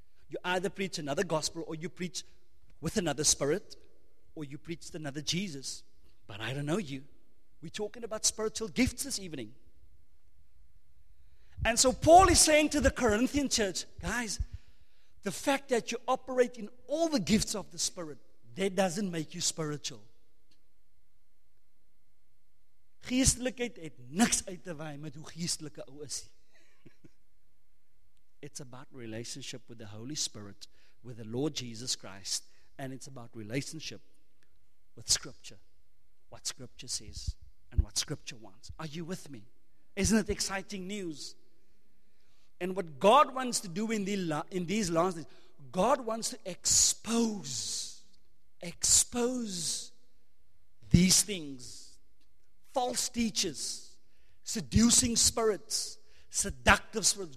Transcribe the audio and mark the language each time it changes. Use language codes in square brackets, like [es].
[en] You either preach another gospel or you preach with another spirit or you preach another Jesus. But I don't know you. We're talking about spiritual gifts this evening. And so Paul is saying to the Corinthian church, guys, the fact that you operate in all the gifts of the Spirit, that doesn't make you spiritual. [af] Geestelijkheid het niks uit te wei met hoe geestelijke ou is. [en] It's about relationship with the Holy Spirit, with the Lord Jesus Christ, and it's about relationship with Scripture, what Scripture says and what Scripture wants. Are you with me? Isn't it exciting news? And what God wants to do in these last days, God wants to expose these things, false teachers, seducing spirits, seductive spirits.